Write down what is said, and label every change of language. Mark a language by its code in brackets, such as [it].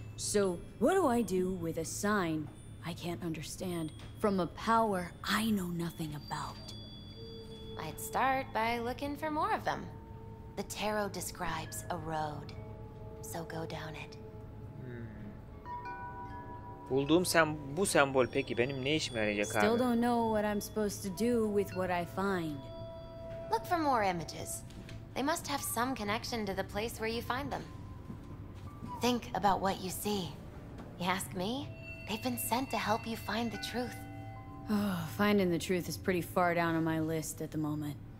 [en] So, what do I do with a sign I can't understand from a power I know nothing about? I'd start by looking for more of them. The tarot describes a road, so go down it. [tr] Bulduğum bu sembol peki benim ne işime yarayacak abi? [en] Still don't know what I'm supposed to do with what I find. Look for more images. They must have some connection to the place where you find them. Think about what you see. You ask me? They've been sent to help you find the truth. Oh, finding the truth is pretty far down on my list at the moment.